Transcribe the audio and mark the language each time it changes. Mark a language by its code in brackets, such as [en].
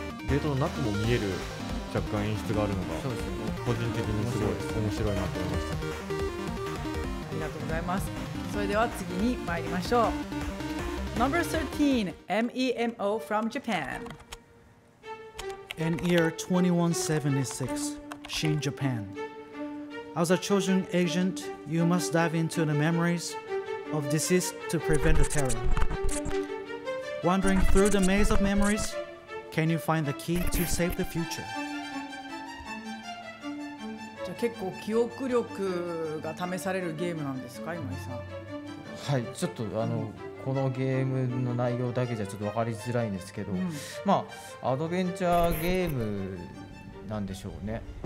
[ja] デートの中も見える若干演出があるのが、そうですね、個人的にすごい面白いなと思いました。ありがとうございます。それでは次に参りましょう。 [en] Number 13 MEMO from Japan. In year 2176 Shin Japan, as a chosen agent, you must dive into the memories of deceased to prevent the terror. Wandering through the maze of memoriesCan you find the key to save the future? [ja] じゃあ結構記憶力が試されるゲームなんですか、今井さん。はい、ちょっとこのゲームの内容だけじゃちょっと分かりづらいんですけど、まあアドベンチャーゲームなんでしょうね。